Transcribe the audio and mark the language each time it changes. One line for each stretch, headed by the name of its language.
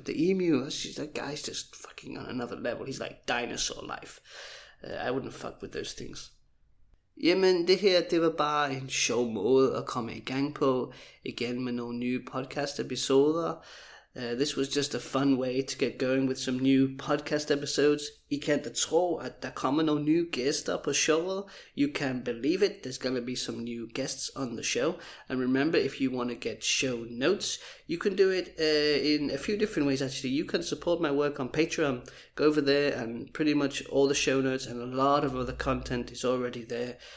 English: But the emu, that guy's just fucking on another level. He's like dinosaur life. I wouldn't fuck with those things.
Danish: Jamen, det her, det var bare en sjov måde at komme i gang på. Igen med nogle nye podcast-episoder.
English: This was just a fun way to get going with some new podcast episodes.
Danish: I kan da tro, at der kommer nogle nye gæster på showet.
English: You can believe it, there's gonna be some new guests on the show. And remember, if you want to get show notes, you can do it in a few different ways, actually. You can support my work on Patreon. Go over there and pretty much all the show notes and a lot of other content is already there.